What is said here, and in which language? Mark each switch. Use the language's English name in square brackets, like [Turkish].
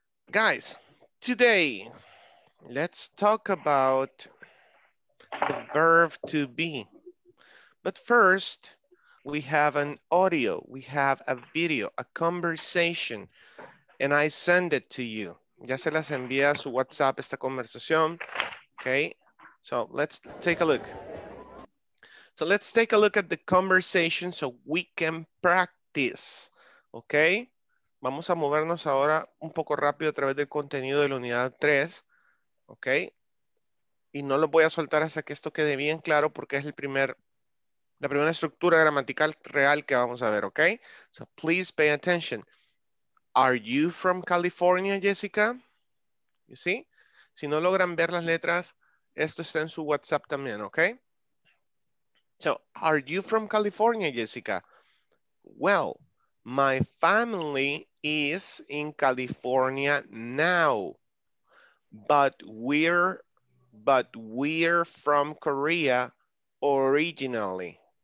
[English] Guys, today, let's talk about the verb to be. But first, we have an audio, we have a video, a conversation, and I send it to you. [Spanish] Ya se las envía a su WhatsApp esta conversación, okay? [English] So let's take a look. So let's take a look at the conversation so we can practice, okay? [Spanish] Vamos a movernos ahora un poco rápido a través del contenido de la unidad 3, okay? Y no lo voy a soltar hasta que esto quede bien claro porque es el primer, la primera estructura gramatical real que vamos a ver, okay? [English] So please pay attention. Are you from California, Jessica? You see? [Spanish] Si no logran ver las letras, esto está en su WhatsApp también, okay? [English] So, are you from California, Jessica? Well, my family is in California now, but we're from Korea originally.